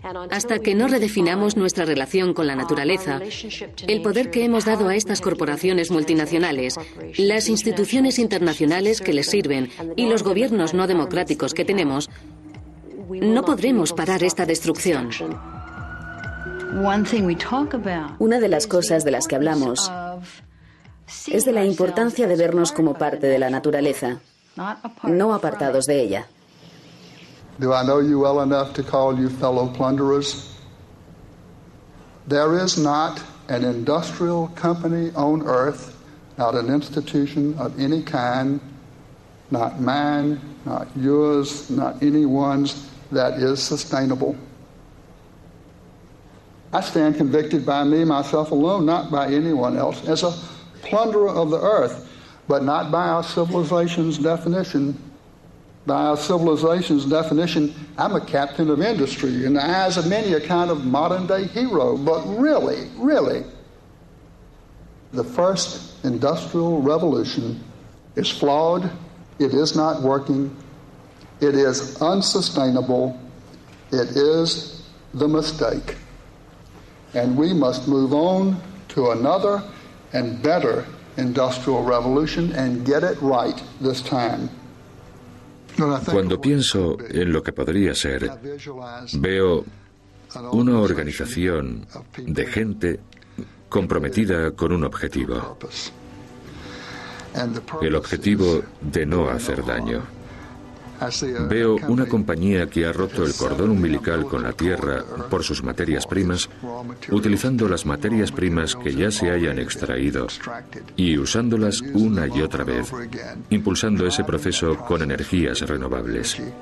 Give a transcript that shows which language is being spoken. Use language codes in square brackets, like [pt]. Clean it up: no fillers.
[es] Hasta que no redefinamos nuestra relación con la naturaleza, el poder que hemos dado a estas corporaciones multinacionales, las instituciones internacionales que les sirven y los gobiernos no democráticos que tenemos, no podremos parar esta destrucción. Una de las cosas de las que hablamos es de la importancia de vernos como parte de la naturaleza, no apartados de ella. [en] Do I know you well enough to call you fellow plunderers? There is not an industrial company on earth, not an institution of any kind, not mine, not yours, not anyone's, that is sustainable. I stand convicted by me, myself alone, not by anyone else, as a plunderer of the earth, but not by our civilization's definition. By our civilization's definition, I'm a captain of industry, in the eyes of many, a kind of modern-day hero. But really, really, the first industrial revolution is flawed, it is not working, it is unsustainable, it is the mistake. And we must move on to another and better industrial revolution and get it right this time. [es] Cuando pienso en lo que podría ser, veo una organización de gente comprometida con un objetivo. El objetivo de no hacer daño. Veo una compañía que ha roto el cordón umbilical con la tierra por sus materias primas, utilizando las materias primas que ya se hayan extraído y usándolas una y otra vez, impulsando ese proceso con energías renovables.